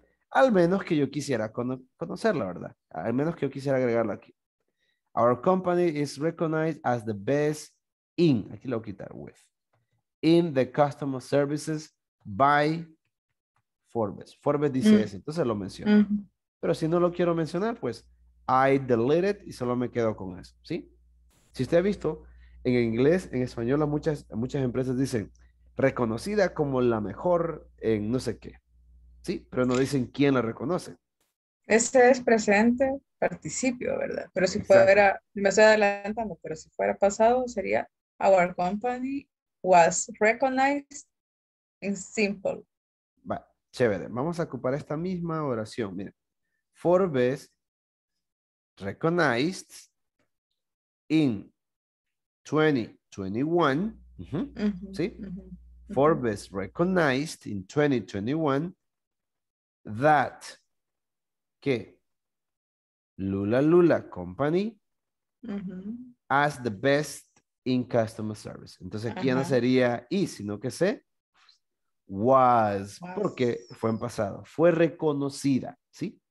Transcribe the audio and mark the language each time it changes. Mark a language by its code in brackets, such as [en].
[es] Al menos que yo quisiera conocerla, ¿verdad? Al menos que yo quisiera agregarlo aquí. [en] Our company is recognized as the best in, aquí lo voy a quitar, with, in the customer services by Forbes. [es] Forbes dice eso, entonces lo menciono. Uh-huh. Pero si no lo quiero mencionar, pues I delete it y solo me quedo con eso, ¿sí? Si usted ha visto, en inglés, en español, muchas empresas dicen reconocida como la mejor en no sé qué, ¿sí? Pero no dicen quién la reconoce. Este es presente participio, ¿verdad? Pero si fuera, me estoy adelantando, pero si fuera pasado sería our company was recognized in simple. Va, chévere. Vamos a ocupar esta misma oración. Mira, Forbes recognized in 2021, ¿sí? Mm-hmm. [en] Forbes recognized in 2021 that que Lula Company as the best in customer service. [es] Entonces aquí no sería is, sino que se was, porque fue en pasado, fue reconocida, ¿sí?